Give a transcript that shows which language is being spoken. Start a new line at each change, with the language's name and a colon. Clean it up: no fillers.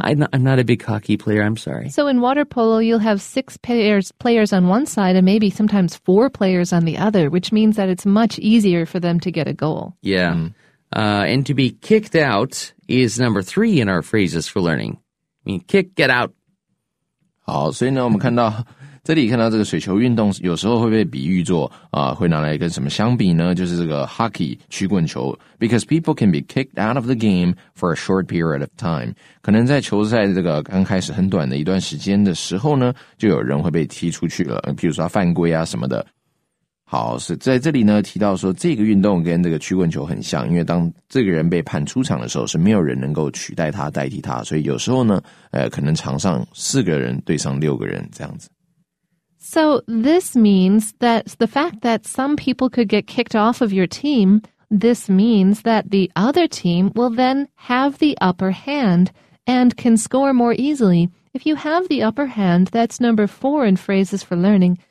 English: I'm not a big hockey player, I'm sorry. So in water polo, you'll have six players on one side and maybe sometimes four players on the other, which means that it's much easier for them to get a goal. Yeah. And to be kicked out is number three in our phrases for learning. I mean, kick, get out.
Chinese: 好，所以呢，我们看到这里看到这个水球运动有时候会被比喻作会拿来跟什么相比呢？就是这个
English: hockey
Chinese: 曲棍球
English: ，because people can be kicked out of the game for a short period of time.
Chinese: 可能在球赛这个刚开始很短的一段时间的时候呢，就有人会被踢出去了，比如说犯规啊什么的。好，是在这里呢提到说这个运动跟这个曲棍球很像，因为当这个人被判出场的时候，是没有人能够取代他代替他，所以有时候呢，可能场上四个人对上六个人这样子。
English: So this means that the fact that some people could get kicked off of your team, this means that the other team will then have the upper hand and can score more easily. If you have the upper hand, that's number four in phrases for learning.